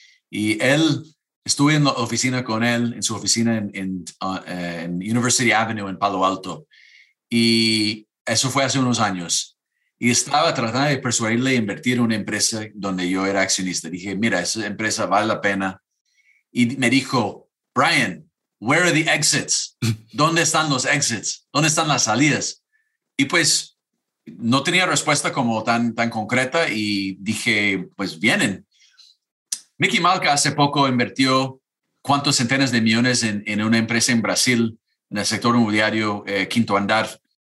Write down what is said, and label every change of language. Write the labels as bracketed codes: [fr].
[es] Y él, estuve en la oficina con él, en su oficina en University Avenue en Palo Alto. Y eso fue hace unos años. Y estaba tratando de persuadirle a invertir en una empresa donde yo era accionista. Dije, mira, esa empresa vale la pena. Y me dijo, Brian, [en] where are the exits? [es] ¿Dónde están los exits? ¿Dónde están las salidas? Y pues no tenía respuesta como tan concreta y dije, pues vienen. Mickey Malka hace poco invirtió cuántos centenas de millones en una empresa en Brasil, en el sector inmobiliario, Quinto Andar.